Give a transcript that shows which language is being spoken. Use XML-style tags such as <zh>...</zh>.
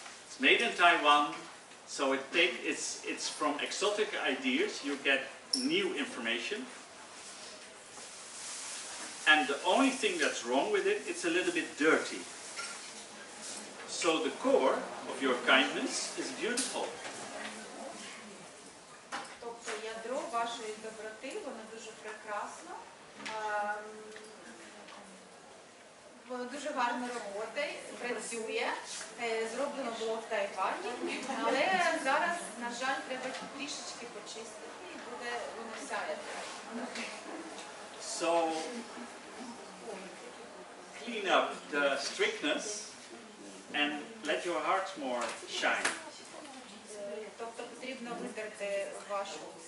<en>It's made in Taiwan, so it's from exotic ideas, you get new information. And the only thing that's wrong with it, it's a little bit dirty. So the core of your kindness is beautiful.</en> <uk>Тобто ядро вашої доброти, воно дуже прекрасно. Воно дуже гарно роботить, працює, зроблено було в Тайвані, але зараз, на жаль, треба трішечки почистити і буде воно сяяти.</uk> <en>So, clean up the strictness and let your heart much more shine.</en> <uk>Тобто потрібно витерти вашу</uk>